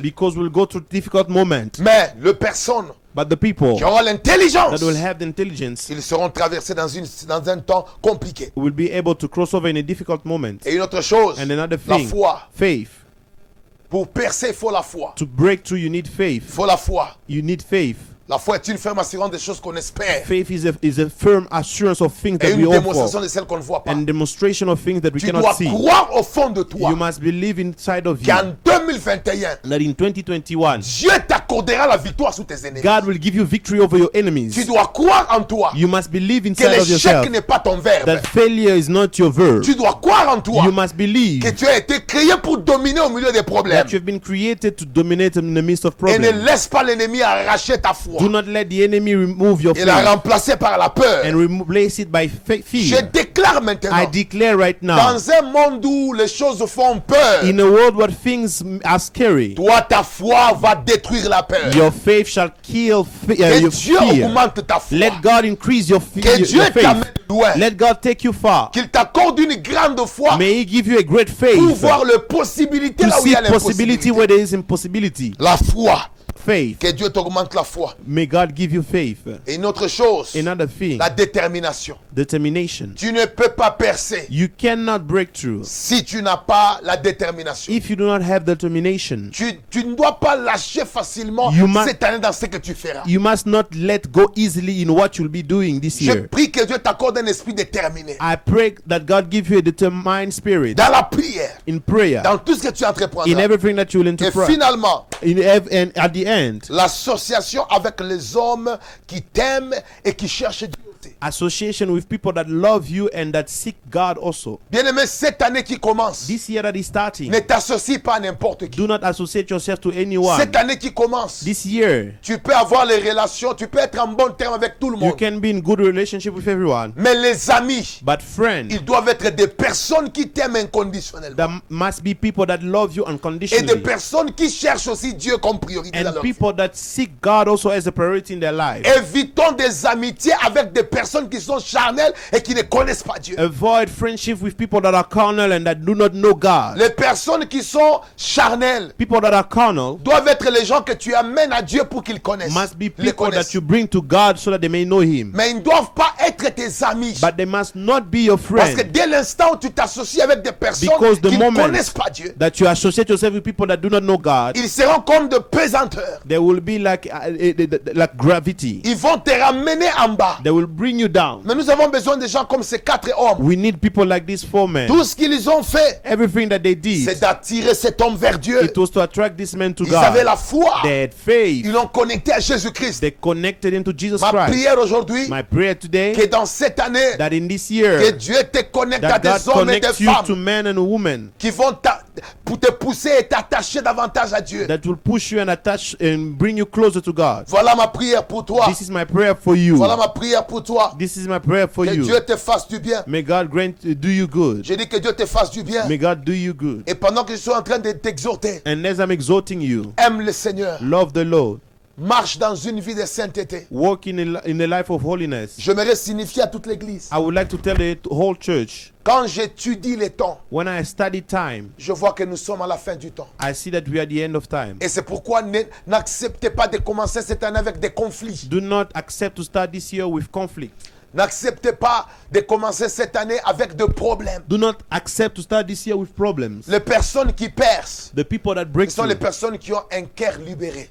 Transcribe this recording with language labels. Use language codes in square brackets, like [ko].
[en] Because we'll go through difficult moment. [fr] Mais le personne [en] but the people [fr] qui aura l'intelligence [en] that will have the intelligence [fr] ils seront traversés dans un temps compliqué. [en] Will be able to cross over in a difficult moment. [fr] Et une autre chose [en] and another thing, [fr] la foi [en] faith. [fr] Pour percer, il faut la foi. [en] To break through, you need faith. [fr] Il faut la foi. [en] You need faith. [fr] La foi est une ferme assurance des choses qu'on espère. [en] Faith is a firm assurance of things that we hope for. [fr] Et une démonstration de celles qu'on ne voit pas. [en] And demonstration of things that we [fr] tu [en] cannot see. [fr] Tu dois croire au fond de toi. [en] You must believe inside of [fr] qu'en [en] you. [fr] Qu'en 2021. [en] That in 2021. [fr] Dieu t'accordera la victoire sur tes ennemis. [en] God will give you victory over your enemies. [fr] Tu dois croire en toi. [en] You must believe inside of yourself. [fr] Que l'échec n'est pas ton verbe. [en] That failure is not your verb. [fr] Tu dois croire en toi. [en] You must believe. [fr] Que tu as été créé pour dominer au milieu des problèmes. [en] That you have been created to dominate in the midst of problems. [fr] Et ne laisse pas l'ennemi arracher ta foi. [en] Do not let the enemy remove your faith. [fr] Et la remplacer par la peur. [en] And replace it by fear. [fr] Je déclare maintenant. [en] I declare right now. [fr] Dans un monde où les choses font peur. [en] In a world where things are scary. [fr] Toi, ta foi va détruire la peur. [en] Your faith shall kill fear. [fr] Que Dieu augmente ta foi. [en] Let God increase your faith. [fr] Que Dieu t'amène loin. [en] Let God take you far. [fr] Qu'il t'accorde une grande foi. [en] May He give you a great faith. [fr] Pour voir le possibilité là où il y a l'impossibilité. [en] Possibility where there is impossibility. [fr] La foi. [en] Faith. [fr] Que Dieu t'augmente la foi. [en] May God give you faith. [fr] Et une autre chose. [en] Another thing. [fr] La détermination. [en] Determination. [fr] Tu ne peux pas percer. [en] You cannot break through. [fr] Si tu n'as pas la détermination. [en] If you do not have determination. [fr] Tu ne dois pas lâcher facilement cette année dans ce que tu feras. [en] You must not let go easily in what you'll be doing this year. [fr] Je prie que Dieu t'accorde un esprit déterminé. [en] I pray that God give you a determined spirit. [fr] Dans la prière. [en] In prayer. [fr] Dans tout ce que tu entreprendras. [en] In everything that you will entreprise. [fr] Et finalement. [en] At the end, [fr] l'association avec les hommes qui t'aiment et qui cherchent Dieu. [en] Association with people that love you and that seek God also. [fr] Bien-aimé, cette année qui commence, [en] this year that is starting, [fr] ne t'associe pas à n'importe qui. [en] Do not associate yourself to anyone. [fr] Cette année qui commence, [en] this year, [fr] tu peux avoir les relations, tu peux être en bon terme avec tout le monde. [en] You can be in good relationship with everyone. [fr] Mais les amis, [en] but friends, [fr] ils doivent être des personnes qui t'aiment inconditionnellement. [en] There must be people that love you unconditionally. [fr] Et des personnes qui cherchent aussi Dieu comme priorité [en] and [fr] dans leur [en] people [fr] vie. [en] That seek God also as a priority in their life. [fr] Évitons des amitiés avec des personnes qui sont charnelles et qui ne connaissent pas Dieu. [en] Avoid friendship with people that are carnal and that do not know God. [fr] Les personnes qui sont charnelles, [en] people that are carnal, [fr] doivent être les gens que tu amènes à Dieu pour qu'ils connaissent. [en] Must be people that you bring to God so that they may know Him. [fr] Mais ils ne doivent pas être tes amis. [en] But they must not be your friends. [fr] Parce que dès l'instant où tu t'associes avec des personnes qui ne connaissent pas Dieu, [en] that you associate yourself with people that do not know God, [fr] ils seront seront comme de pesanteur. [en] They will be like gravity. [fr] Ils vont te ramener en bas. [en] They will bring you down. [fr] Mais nous avons besoin de gens comme ces quatre hommes. [en] We need people like these four men. [fr] Tout ce qu'ils ont fait, [en] everything that they did, [fr] c'est d'attirer cet homme vers Dieu. [en] It was to attract this man to [fr] ils [en] God. [fr] Ils avaient la foi. [en] They had faith. [fr] Ils l'ont connecté à Jésus-Christ. [en] They connected him to Jesus [fr] Ma [en] Christ. [fr] Ma prière aujourd'hui, [en] my prayer today, [fr] que dans cette année, [en] that in this year, [fr] que Dieu te connecte à des [en] God [fr] hommes et des [en] you [fr] femmes [en] to men and women, [fr] qui vont pour te pousser et t'attacher davantage à Dieu. [en] That will push you and attach and bring you closer to God. [fr] Voilà ma prière pour toi. [en] This is my prayer for you. [fr] Voilà ma prière pour toi. [en] This is my prayer for [fr] que [en] you. [fr] Que Dieu te fasse du bien. [en] May God grant do you good. [fr] J'ai dit que Dieu te fasse du bien. [en] May God do you good. [fr] Et pendant que je suis en train de t'exhorter, [en] and as I'm exhorting you, [fr] aime le Seigneur. [en] Love the Lord. [fr] Marche dans une vie de sainteté. [en] Walk in a life of holiness. [fr] J'aimerais signifier à toute l'église. [en] I would like to tell the whole church. [fr] Quand j'étudie les temps, [en] when I study time, [fr] je vois que nous sommes à la fin du temps. [en] I see that we are the end of time. [fr] Et c'est pourquoi n'acceptez pas de commencer cette année avec des conflits. [en] Do not accept to start this year with conflict. [fr] N'acceptez pas de commencer cette année avec de problèmes. [en] Do not accept to start this year with problems. [fr] Les personnes qui percent, [en] the people that break, [fr] ce sont les personnes qui ont un cœur libéré.